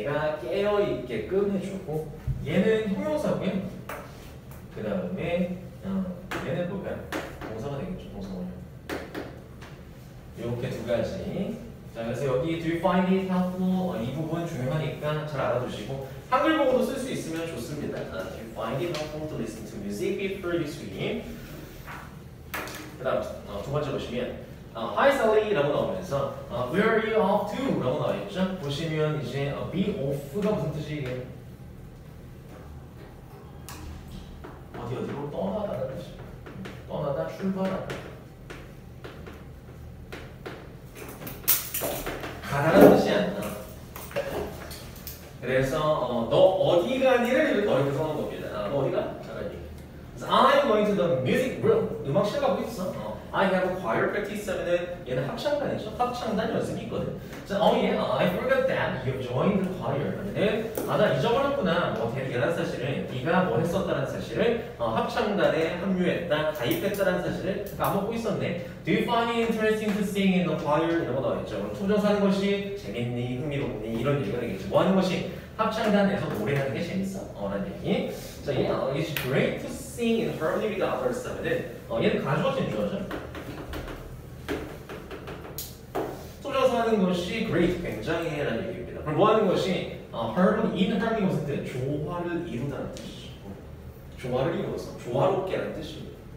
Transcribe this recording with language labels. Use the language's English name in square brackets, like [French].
[Korean] 내가 깨어있게끔 해주고 얘는 형용사고요. 그 다음에 얘는 뭐가 동사가 되겠죠. 동사원형 이렇게 두 가지. 자, 그래서 여기 [English] Do you find it helpful? [Korean] 이 부분 중요하니까 잘 알아두시고 한글 보고도 쓸 수 있으면 좋습니다. [English] Do you find it helpful to listen to music before you swim? [Korean] 그 다음 두 번째 보시면 [English] Hi Sally [Korean] 라고 나오면서 [English] Where are you off to? [Korean] 라고 나와있죠. 보시면 이제 Be off가 무슨 뜻이 이게? 어디 어디로 떠나다라는 뜻이 떠나다 출발하다 가다라는 뜻이야. 그래서 너 어디 가니를 너에게 선언한 겁니다. 너 어디 가? 잠깐 얘기해. [English] I'm going to the music room. [Korean] 음악실 가고 있어. [English] I have a choir practice [Korean] 하면은 얘는 합창단이죠. 합창단 연습이 있거든. [English] So, oh yeah, I forgot that you joined the choir. [Korean] 하면은 아, 나 잊어버렸구나. 뭐 대단한 사실을 네가 뭐 했었다는 사실을 합창단에 합류했다, 가입했다는 사실을 까먹고 있었네. [English] Do you find it interesting to sing in the choir? [Korean] 이런 거 나와있죠. 그럼 투정 사는 것이 재밌니, 흥미롭니 이런 얘기가 되겠지. 뭐 하는 것이 합창단에서 노래하는 게 재밌어. 라는 얘기. [English] So yeah, it's great to sing in harmony with others. [Korean] 하면은 얘는 가수가 제일 좋아하죠. 투정 사는 것이 great, 굉장해 라는 얘기입니다. 그럼 뭐 하는 것이 harmony, in harmony 무슨 뜻? 조화를 이루다는 뜻이죠. 조화를 이루어서 조화롭게 라는 뜻입니다.